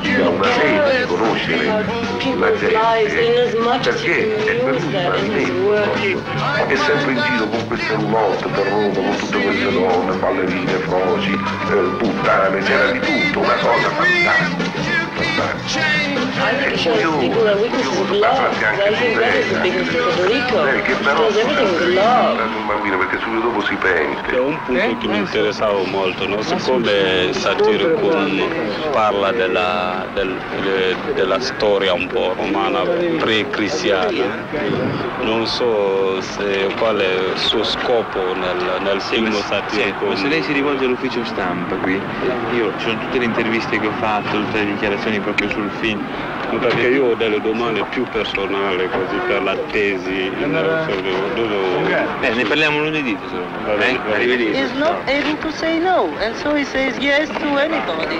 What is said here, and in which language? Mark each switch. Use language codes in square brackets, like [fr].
[it] Una sede di conoscere la gente, perché è per lui fantastico. È sempre in giro con queste lotte per Roma, con tutte queste donne, ballerine, froci, puttane, c'era di tutto, una cosa fantastica. [en] I think she has equal weaknesses with love. [it] C'è un punto che mi interessava molto, no? Siccome Satyricon parla della storia un po' romana pre-cristiana, non so se qual è il suo scopo nel film Satyricon. Se lei si rivolge all'ufficio stampa qui, io ci sono tutte le interviste che ho fatto, tutte le dichiarazioni proprio sul film. Perché io ho delle domande più personali così per la tesi. Ne parliamo lunedì, secondo me. Arrivederci. [en] He's not able to say no, and so he says yes to anybody.